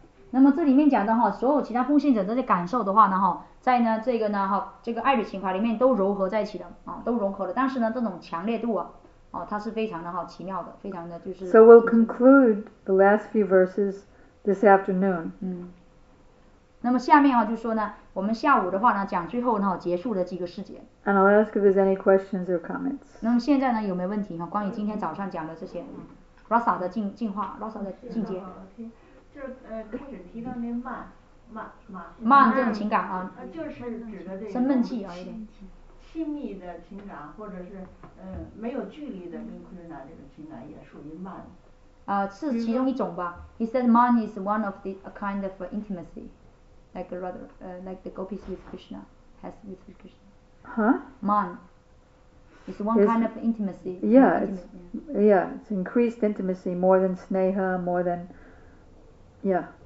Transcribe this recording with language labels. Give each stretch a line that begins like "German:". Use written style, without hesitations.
Chinese: 那么这里面讲的哈，所有其他奉献者这些感受的话呢哈，在呢这个呢哈，这个爱侣情怀里面都融合在一起的啊，都融合了。但是呢，这种强烈度啊，它是非常的哈奇妙的，非常的就是。
English: So we'll conclude the last few verses this afternoon.
Chinese: 那么下面哈就说呢，我们下午的话呢讲最后呢结束的几个事件。
English: And I'll ask if there's any questions or comments.
Chinese: 那么现在呢有没有问题哈？关于今天早上讲的这些 ，Rasa 的进化 ，Rasa 的进阶。就是开始提到那慢这种情感啊，就是指的这个生闷气啊，亲密的情感或者是没有距离的跟库什纳这个情感也属于慢。是其中一种吧。
English: He said man is one of the a kind of intimacy, like rather like the gopis with Krishna has with Krishna. Huh? Man. It's one kind of intimacy. Yeah, it's increased intimacy more than sneha, more than yeah.